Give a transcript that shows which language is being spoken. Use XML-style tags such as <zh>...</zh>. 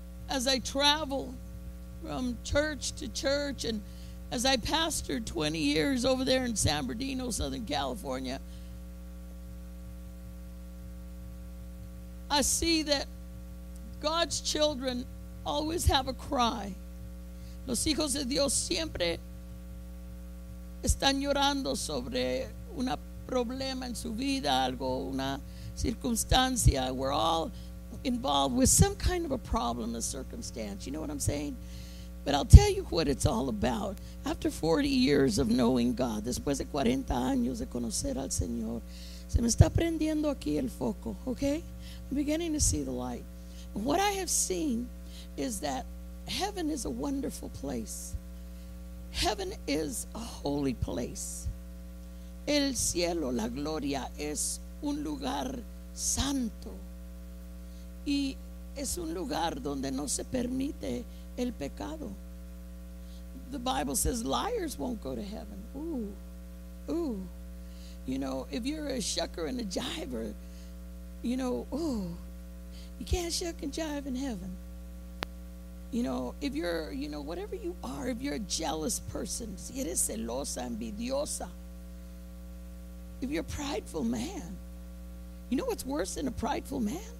<en>As I travel from church to church, and as I pastored 20 years over there in San Bernardino, Southern California, I see that God's children always have a cry.</en> <es>Los hijos de Dios siempre están llorando sobre una problema en su vida, algo, una circunstancia.</es> <en>We're all involved with some kind of a problem, a circumstance. You know what I'm saying? But I'll tell you what it's all about. After 40 years of knowing God,</en> <es>después de 40 años de conocer al Señor, se me está prendiendo aquí el foco, okay?</es> <en>I'm beginning to see the light. What I have seen is that heaven is a wonderful place. Heaven is a holy place.</en> <es>El cielo, la gloria, es un lugar santo. Y es un lugar donde no se permite el pecado.</es> <en>The Bible says liars won't go to heaven. Ooh, ooh. You know, if you're a shucker and a jiver, you know, ooh, you can't shuck and jive in heaven. You know, if you're, you know, whatever you are, if you're a jealous person,</en> <es>si eres celosa, envidiosa,</es> <en>if you're a prideful man, you know what's worse than a prideful man?</en>